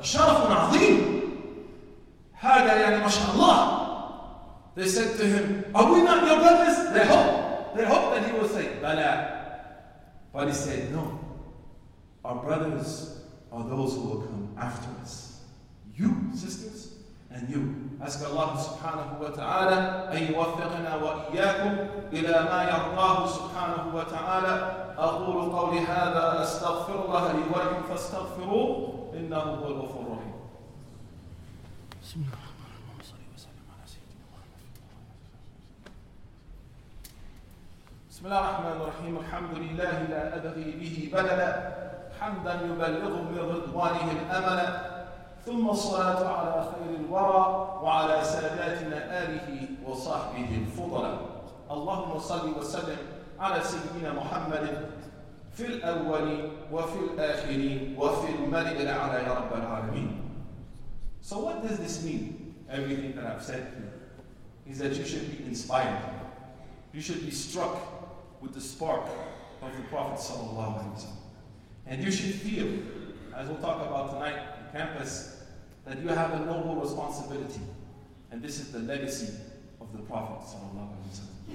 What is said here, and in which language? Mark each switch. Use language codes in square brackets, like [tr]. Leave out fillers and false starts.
[ar] شَرَفٌ عَظِيمٌ هَذَا يَعْنِ مَشَاءَ اللَّهِ [en] They said to him, are we not your brothers? They hope that he will say, Bala. But he said, no. Our brothers are those who will come after us. You, sisters, and you. Ask Allah subhanahu wa ta'ala, [ar] أن يوفقنا وإياكم إلى ما يرضاه سبحانه وتعالى. أقول قولي هذا أستغفر الله لي ولكم فاستغفروه إنه هو الغفور الرحيم. بسم الله. بسم الله الرحمن الرحيم الحمد لله لا أبغي به بدلا حمدا يبلغ من رضوانه الأمل ثم الصلاة على خير الورى وعلى ساداتنا آله وصحبه الفضلاء. اللهم صل وسلم على سيدنا محمد في الأول وفي الآخر وفي الملأ الأعلى يا رب العالمين. [en] So what does this mean? Everything that I've said to you is that you should be inspired. You should be struck with the spark of the Prophet sallallahu alaihi wasallam, and you should feel, as we'll talk about tonight, the campus, that you have a noble responsibility, and this is the legacy of the Prophet sallallahu alaihi wasallam.